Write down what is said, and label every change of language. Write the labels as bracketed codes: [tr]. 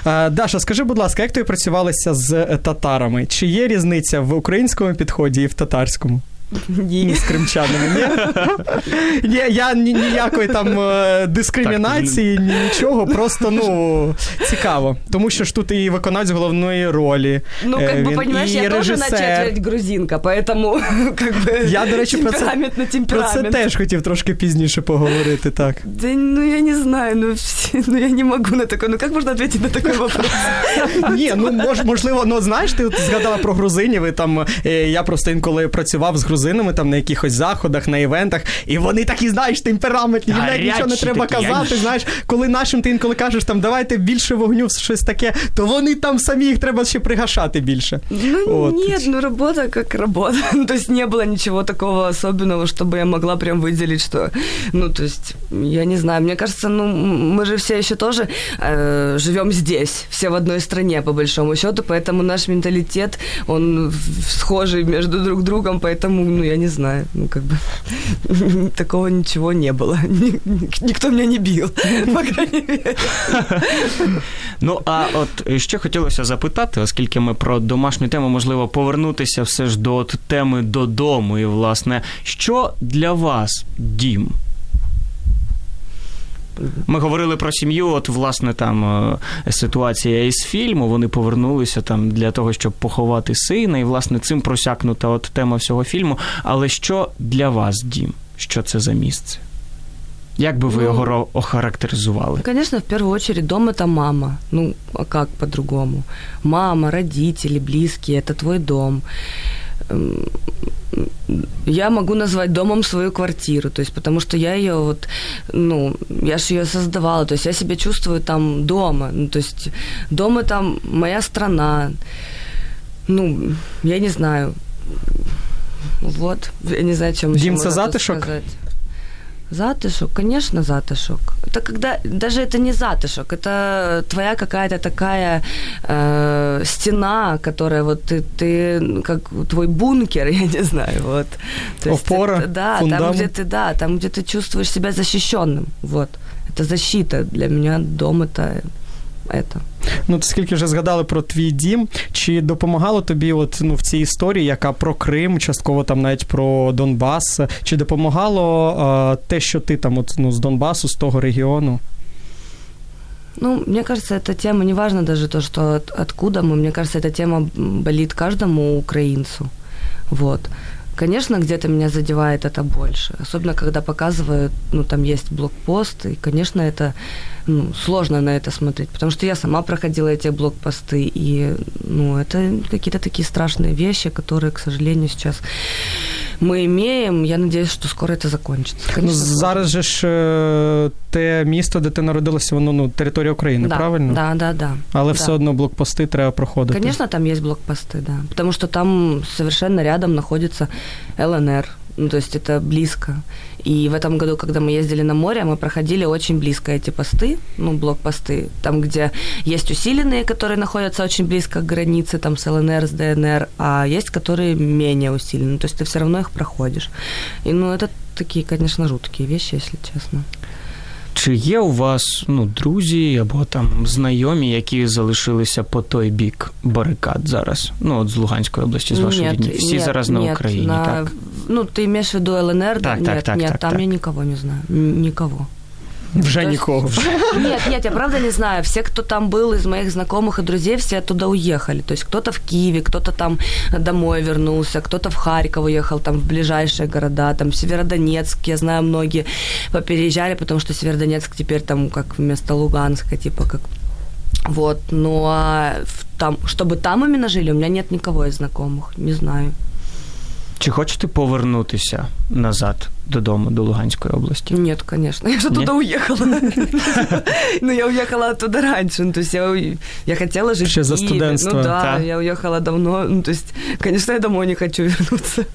[uk] Даша, скажи, будь ласка, як ти працювалася з татарами? Чи є різниця в українському підході і в татарському? Ні. З кримчанами, ні? Я ніякої там дискримінації, нічого, просто, ну, цікаво. Тому що ж тут і виконавець головної ролі. [ru] Ну, как бы, понимаешь, я тоже на четверть грузинка, поэтому, как бы, темперамент на темперамент. [uk] Про це теж хотів трошки пізніше поговорити, так. [ru] Да, ну, я не знаю, ну, я не могу на такое, ну, как можно ответить на такой вопрос? [uk] Ні, ну, можливо, ну, знаєш, ти згадала про грузинів, і там, я просто інколи працював з грузинами там на якихось заходах, на івентах, і вони такі, знаєш, темпераментні, їм навіть нічого не треба такі, казати, знаєш, коли нашим ти інколи кажеш, там, давайте більше вогню, щось таке, то вони там самі, їх треба ще пригашати більше. Ну, от. Ні, ну, робота як робота. Тобто, не було нічого такого особливого, щоб я могла прям виділити, що, ну, тобто, я не знаю, мені кажеться, ну, ми ж всі ще теж живемо здесь, всі в одній країні, [ru] по большому счету, поэтому [uk] наш менталітет, он схожий між друг другом, поэтому ну, я не знаю, ну, [ru] как бы, такого ничего не было. Никто меня не бил, по крайней мере. [uk] Ну, а от ще хотілося запитати, оскільки ми про домашню тему, можливо, повернутися все ж до от теми «Додому», і, власне, що для вас дім? Ми говорили про сім'ю, от, власне, там ситуація із фільму, вони повернулися там для того, щоб поховати сина, і, власне, цим просякнута от тема всього фільму. Але що для вас дім? Що це за місце? Як би ви його охарактеризували? Звісно, в першу чергу, дім – це мама. Ну, а як по-другому? Мама, родителі, близькі – це твій дім. [ru] я могу назвать домом свою квартиру, то есть, потому что я ее вот, ну, я же ее создавала, то есть я себя чувствую там дома, ну, то есть дом — это моя страна, ну, я не знаю, вот, я не знаю, чем еще можно затишок? Сказать. Затишок? Конечно, затишок. Это когда, даже это не затишок, это твоя какая-то такая стена, которая вот ты, как твой бункер, я не знаю, вот. То опора, есть, да, фундам. Там, где ты, да, там, где ты чувствуешь себя защищенным, вот. Это защита для меня, дом это. [uk] Ну, ти скільки вже згадали про твій дім, чи допомагало тобі от, ну, в цій історії, яка про Крим, частково там навіть про Донбас, чи допомагало те, що ти там от, ну, з Донбасу, з того регіону? Ну, мені кажется, ця тема, не важливо даже то, що откуда ми, мені кажется, ця тема болить кожному українцю. [ru] Вот. Конечно, где-то меня задевает это больше. Особенно, когда показывают, ну, там есть блокпост, и, конечно, это, ну, сложно на это смотреть, потому что я сама проходила эти блокпосты, и, ну, это какие-то такие страшные вещи, которые, к сожалению, сейчас мы имеем. Я надеюсь, что скоро это закончится. [uk] Конечно, ну, зараз же ж те місто, де ти народилася, воно, ну, територія України, [ru] да, [uk] правильно? [ru] Да, да, да. [uk] Але [ru] да. [uk] Все одно блокпости треба проходити. [ru] Конечно, там есть блокпосты, да. Потому что там совершенно рядом находится ЛНР, ну, то есть это близко. И в этом году, когда мы ездили на море, мы проходили очень близко эти посты, ну, блокпосты, там, где есть усиленные, которые находятся очень близко к границе, там, с ЛНР, с ДНР, а есть, которые менее усилены, то есть ты все равно их проходишь. И, ну, это такие, конечно, жуткие вещи, если честно. [uk] Чи є у вас, ну, друзі або там знайомі, які залишилися по той бік барикад зараз? Ну, от з Луганської області, з вашої рідні. Всі [ru] нет, [uk] зараз [ru] нет, [uk] на Україні, на... так? Ну, ти маєш в виду ЛНР? Так, так, [ru] нет, [uk] так. Ні, там так. Я нікого не знаю. Нікого. Вже нікого. [ru] Нет, нет, я правда не знаю. Все, кто там был из моих знакомых и друзей, все оттуда уехали. То есть кто-то в Киеве, кто-то там домой вернулся, кто-то в Харьков уехал, там в ближайшие города, там в Северодонецк. Я знаю, многие попереезжали, потому что Северодонецк теперь там как вместо Луганска, типа как... Вот, ну а там, чтобы там именно жили, у меня нет никого из знакомых, не знаю. [uk] Чи хочете повернутися назад додому, до Луганської області? Ні, звісно. Я вже туди уїхала. Ну, я уїхала туди раніше. Ну, тобто, я хотіла жити. Ще за студентство. Ну, так, я уїхала давно. Ну, тобто, звісно, я домой не хочу повернутися.